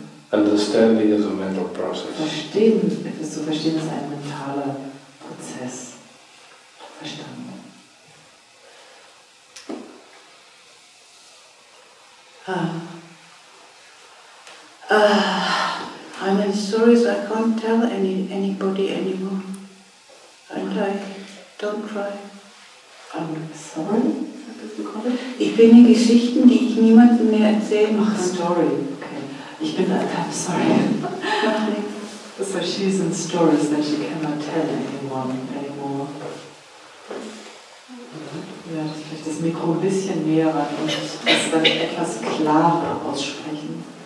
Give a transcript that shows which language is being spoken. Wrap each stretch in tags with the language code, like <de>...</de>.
<en>Understanding is a mental process.</en> <de>Verstehen, etwas zu verstehen, ist ein mentaler Prozess. Verstanden.</de> <en>I'm in stories I can't tell anybody anymore. And I don't cry. I'm sorry?</en> <de>Ich bin in Geschichten, die ich niemandem mehr erzählen kann. Ach,</de> <en>story. Okay. I'm sorry. Nothing. So she's in stories that she cannot tell anyone anymore.</en> <de>Ja, vielleicht das Mikro ein bisschen näher ran und das dann etwas klarer aussprechen.</de>